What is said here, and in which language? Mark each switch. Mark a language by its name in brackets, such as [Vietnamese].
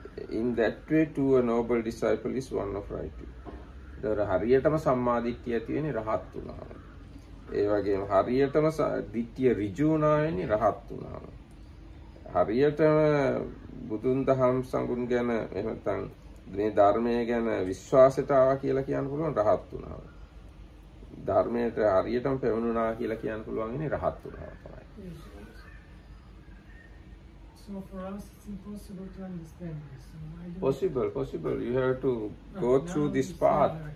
[English] In that way, to a noble disciple is one of right. [Sinhala] දර හරියටම සම්මාදිට්ඨිය තියෙන්නේ රහත් වුණාම. ඒ වගේම හරියටම දිට්ඨිය ඍජු වුණා වෙන්නේ රහත් වුණාම. හරියටම බුදුන් දහම් සඟුන් ගැන එහෙම නැත්නම් මේ ධර්මයේ ගැන විශ්වාසයට ආවා කියලා කියන්න පුළුවන් රහත් වුණාම. ධර්මයට හරියටම පැමිණුණා කියලා කියන්න පුළුවන් ඉන්නේ රහත් වුණාම තමයි. [English] So for us, it's impossible to understand this. So possible, possible. You have to go through this path.